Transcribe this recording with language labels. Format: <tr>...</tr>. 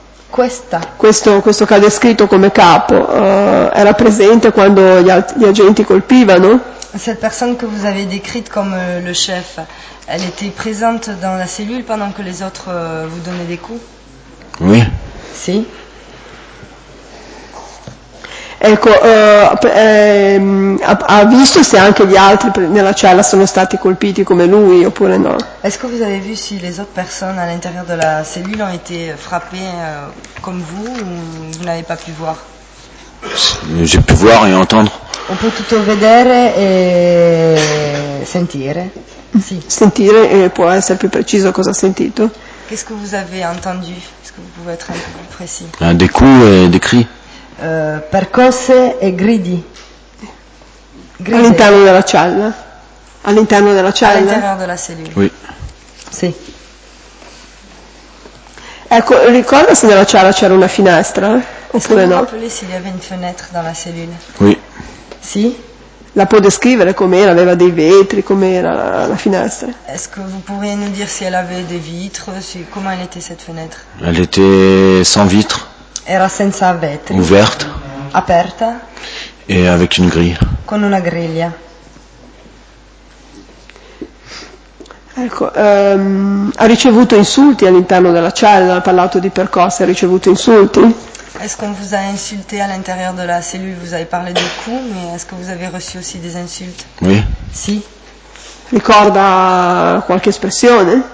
<it>Questo che ha descritto come capo era presente quando gli agenti colpivano?</it> <fr>Cette personne que vous avez décrite comme le chef, elle était présente dans la cellule pendant que les autres vous donnaient des coups? Oui.</fr> <it>Sì. Ecco, ha visto se anche gli altri nella cella sono stati colpiti come lui oppure no?</it> <fr>Est-ce que vous avez vu si les autres personnes à l'intérieur de la cellule ont été frappées comme vous ou vous n'avez pas pu voir? J'ai pu voir et entendre. On peut tout</fr> <it>vedere e sentire. Sì. Sentire può essere più preciso cosa ha sentito.</it> <fr>Qu'est-ce que vous avez entendu? Est-ce que vous pouvez être un peu plus précis? Des coups et des cris.</fr> <it>Percosse e gridi. Gride. All'interno della cella. All'interno della cella. All'interno della cellula.</it> <fr>Oui.</fr> <it>Sì. Ecco, ricorda se nella cella c'era una finestra oppure no? Se vi aveva una finestra nella cellula.</it> <fr>Oui.</fr> <it>Sì. La può descrivere com'era? Aveva dei vetri? Com'era la finestra?</it> <fr>Est-ce que vous pourriez nous dire si elle avait des vitres? Si, comment elle était cette fenêtre? Elle était sans vitres.</fr> <it>Era senza vetri.</it> <fr>Ouverte.</fr> <it>Aperta.</it> <fr>E avec une grille.</fr> <it>Con una griglia. Ecco, ha ricevuto insulti all'interno della cella, ha parlato di percosse, ha ricevuto insulti?</it> <fr>Est-ce qu'on vous a insulté à l'intérieur de la cellule? Vous avez parlé de coups, mais est-ce que vous avez reçu aussi des insultes? Oui.</fr> <it>Si. Ricorda qualche espressione?</it>